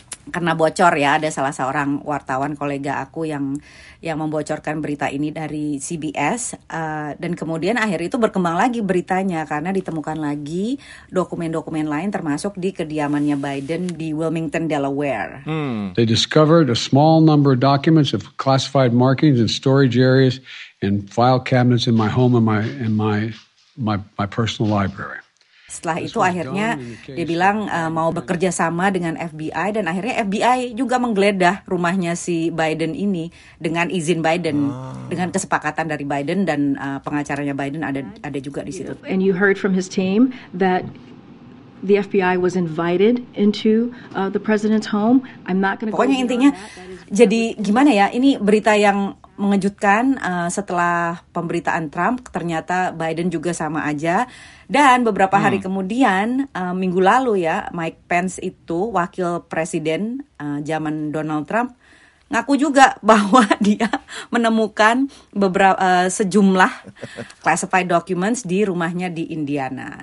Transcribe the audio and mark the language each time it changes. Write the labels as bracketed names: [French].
[Indonesian] karena bocor ya, ada salah seorang wartawan kolega aku yang membocorkan berita ini dari CBS, dan kemudian akhirnya itu berkembang lagi beritanya karena ditemukan lagi dokumen-dokumen lain termasuk di kediamannya Biden di Wilmington, Delaware. [English] They discovered a small number of documents of classified markings and storage areas in file cabinets in my home and my personal library. [Indonesian] Setelah itu akhirnya dia bilang mau bekerja sama dengan FBI, dan akhirnya FBI juga menggeledah rumahnya si Biden ini dengan izin Biden, dengan kesepakatan dari Biden, dan pengacaranya Biden ada juga di situ. [English] And you heard from his team that the FBI was invited into the president's home. I'm not going to. [Indonesian] Pokoknya intinya jadi gimana ya, ini berita yang mengejutkan, setelah pemberitaan Trump ternyata Biden juga sama aja. Dan beberapa hari kemudian, minggu lalu ya, Mike Pence itu wakil presiden zaman Donald Trump ngaku juga bahwa dia menemukan beberapa sejumlah classified documents di rumahnya di Indiana.